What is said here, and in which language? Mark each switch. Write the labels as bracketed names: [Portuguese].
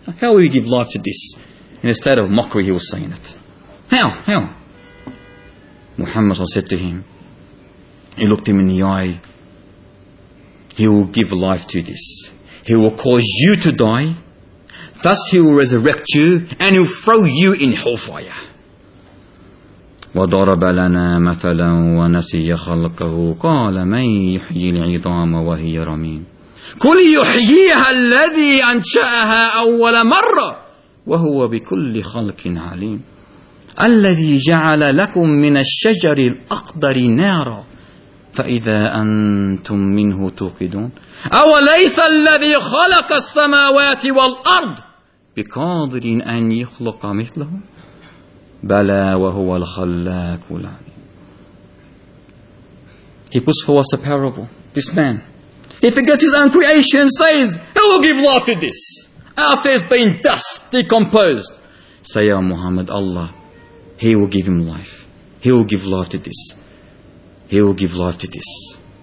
[English] How will He give life to this? In a state of mockery, he was saying it. How? Muhammad said to him, he looked him in the eye, He will give life to this. He will cause you to die. Thus He will resurrect you and He will throw you in hellfire. [Arabic] وضرب لنا مثلا ونسي خلقه قال من يحيي العظام وهي رميم كل يحييها الذي أنشأها أول مرة وهو بكل خلق عليم الذي جعل لكم من الشجر الأخضر نارا فإذا أنتم منه توقدون أوليس الذي خلق السماوات والأرض بقادر أن يخلق مثله بَلَا وَهُوَ الْخَلَّاكُ الْعَلِيمُ. [English] He puts forth a parable. This man, he forgets his own creation, says, who will give life to this? After it's been dust, decomposed. Say, Ya Muhammad, Allah, He will give him life. He will give life to this. He will give life to this.